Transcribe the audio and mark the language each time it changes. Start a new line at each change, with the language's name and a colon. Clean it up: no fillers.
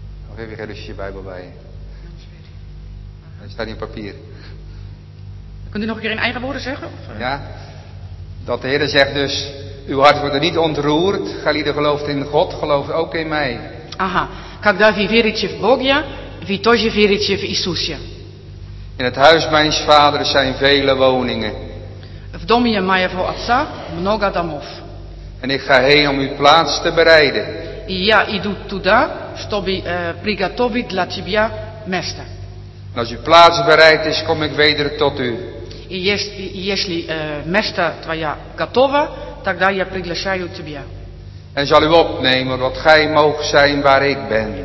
Dutch: Of heb je geen lusje Bijbel bij je? Johannes 14. Hij staat in papier. Kunt u nog een keer in eigen woorden zeggen? Ja. Dat de Heer zegt dus, uw hart wordt er niet ontroerd. Gij die gelooft in God, gelooft ook in mij. Aha.
Russian: Когда вы верите в Бога, вы тоже верите в Иисуса.
Dutch: In het huis mijns vaders zijn vele woningen.
Russian: В доме моего отца много домов.
Dutch: En ik ga heen om uw plaats te bereiden.
Russian: И я иду туда, чтобы приготовить для тебя место.
Dutch: En als uw plaats bereid is, kom ik weder tot u.
Russian: И если место твое готово, тогда я приглашаю тебя.
Dutch: En zal u opnemen wat gij moogt zijn waar ik ben.